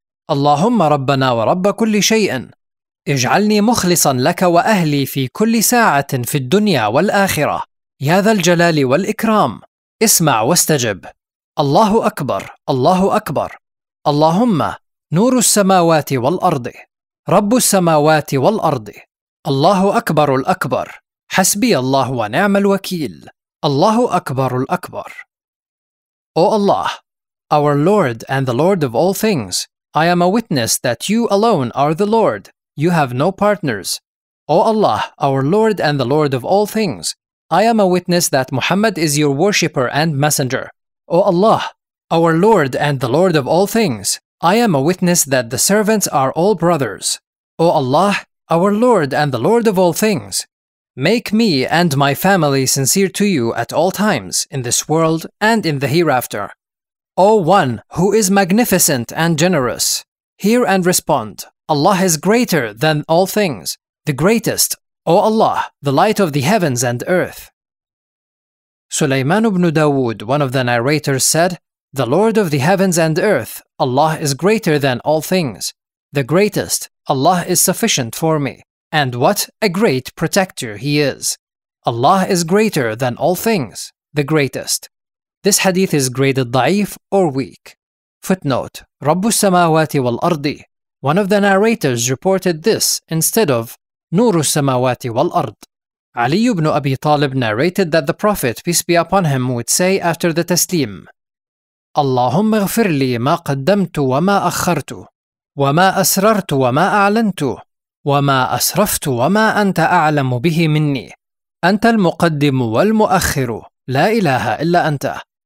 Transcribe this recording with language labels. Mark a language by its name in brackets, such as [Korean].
[Arabic] اللَّهُمَّ رَبَّنَا وَرَبَّ كُلِّ شَيْءٍ اجْعَلْنِي مُخْلِصًا لَكَ وَأَهْلِي فِي كُلِّ سَاعَةٍ فِي الدُّنْيَا وَالْآخِرَةِ يَا ذَا الْجَلَالِ وَالْإِكْرَامِ اسْمَعْ وَاسْتَجِبْ اللَّهُ أَكْبَرُ اللَّهُ أَكْبَرُ اللهم نور السماوات والأرض رب السماوات والأرض الله أكبر الأكبر حسبي الله ونعم الوكيل الله أكبر الأكبر [English] O Allah, our Lord and the Lord of all things, I am a witness that you alone are the Lord, you have no partners. O Allah, our Lord and the Lord of all things, I am a witness that Muhammad is your worshipper and messenger. O Allah, Our Lord and the Lord of all things, I am a witness that the servants are all brothers. O Allah, our Lord and the Lord of all things, make me and my family sincere to you at all times, in this world and in the hereafter. O One who is magnificent and generous, hear and respond. Allah is greater than all things, the greatest, O Allah, the light of the heavens and earth. Sulayman ibn Dawud, one of the narrators, said, The Lord of the heavens and earth, Allah is greater than all things. The greatest, Allah is sufficient for me. And what a great protector He is. Allah is greater than all things, the greatest. This hadith is graded da'if or weak. Footnote, [Arabic] رب السماوات والأرض. [English] One of the narrators reported this instead of [Arabic] نور السماوات والأرض. [English] Ali ibn Abi Talib narrated that the Prophet, peace be upon him, would say after the taslim, [Arabic] اللهم اغفر لي ما قدمت وما أخرت وما أسررت وما أعلنت وما أسرفت وما أنت أعلم به مني أنت المقدم والمؤخر لا إله إلا أنت